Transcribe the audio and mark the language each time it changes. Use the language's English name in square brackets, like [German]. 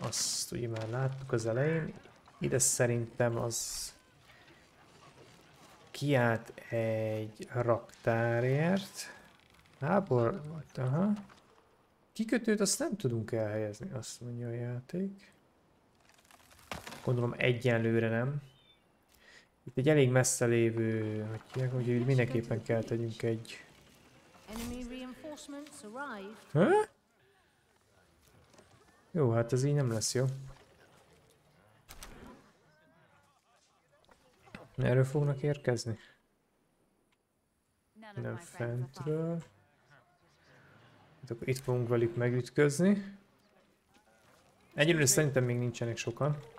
[Hungarian] Azt ugye már láttuk az elején. Ide szerintem az kiállt egy raktárért. Lábor, vagy aha. Kikötőt azt nem tudunk elhelyezni, azt mondja a játék. Gondolom egyenlőre nem. Itt egy elég messze lévő, hogy mindenképpen kell tegyünk egy... [English] Enemy reinforcements arrive. [Hungarian] Hä? Jó, hát ez így nem lesz jó. Erről fognak érkezni? Nem fentről. Itt fogunk velük megütközni. Egyelőre szerintem még nincsenek sokan.